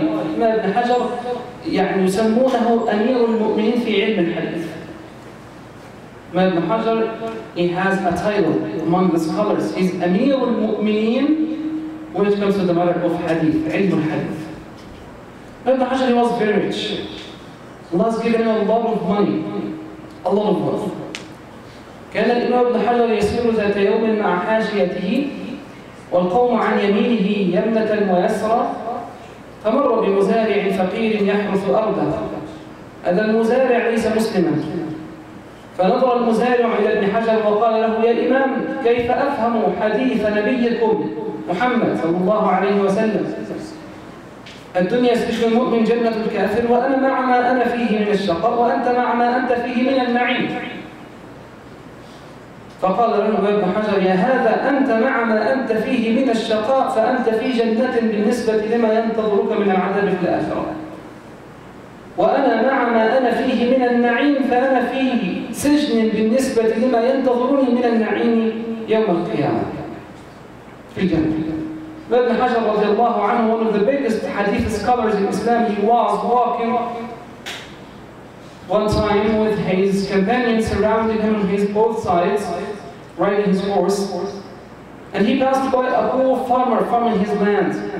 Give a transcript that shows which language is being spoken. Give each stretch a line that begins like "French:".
Arabic: Imam Ibn Hajar, يعني يسمونه أمير المؤمنين في علم الحديث.
English: Imam Ibn Hajar, he has a title among the scholars. He's Amir al-Mu'mineen when it comes to the matter of hadith, ilm al-hadith. Imam Ibn Hajar, he was very rich. Allah has given him a lot of money, a lot of wealth.
Arabic: كان الإمام ابن حجر يسير ذات يوم مع حاجيته والقوم عن يمينه يمنة ويسرى فمر بمزارع فقير يحرث أرضا. هذا المزارع ليس مسلما. فنظر المزارع إلى ابن حجر وقال له: يا إمام، كيف أفهم حديث نبيكم محمد صلى الله عليه وسلم؟ الدنيا سجن المؤمن جنة الكافر، وأنا مع ما أنا فيه من الشقاء، وأنت مع ما أنت فيه من النعيم. فقال له أبو بن حجر يا هذا أنت مع ما أنت فيه من الشقاء فأنت في جنة بالنسبة لما ينتظرك من العذاب في الآخرة، وأنا مع ما أنا فيه من النعيم فأنا في سجن بالنسبة لما ينتظرني من النعيم يوم القيامة في الجنة.
English: Ibn Hajar
Arabic: رضي الله عنه,
English: one of the biggest hadith scholars in Islam, he was walking one time with his companions surrounding him on his both sides, riding his horse, and he passed by a poor farmer farming his land.